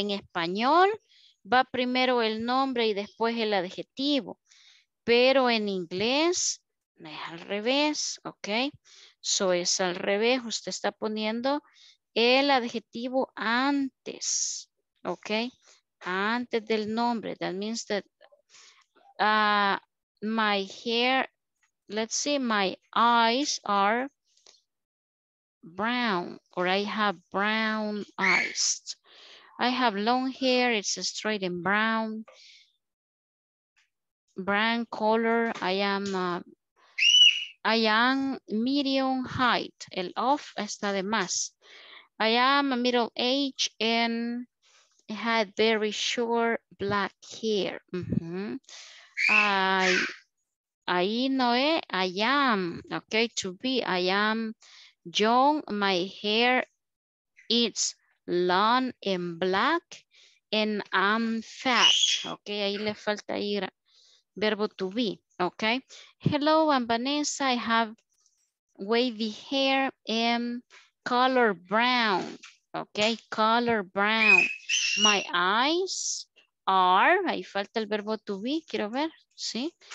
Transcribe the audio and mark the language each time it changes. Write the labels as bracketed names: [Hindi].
[Spanish] En español va primero el nombre y después el adjetivo. Pero en inglés es al revés, ¿ok? So es al revés, usted está poniendo el adjetivo antes, ok, antes del nombre. [English] That means that my hair, let's see, my eyes are brown, or I have brown eyes. I have long hair, it's straight and brown, brown color. I am medium height. [Spanish] El off está de más. [English] I am middle age and had very short black hair. Mm-hmm. [Spanish] Ahí no es. [English] I am. Okay, to be. I am young. My hair is long and black and I'm fat. [Spanish] Okay, ahí le falta ir verbo to be. [English] Okay, hello, I'm Vanessa. I have wavy hair and color brown. Okay, color brown. My eyes [Spanish] are, ahí falta el verbo to be, quiero ver, ¿sí?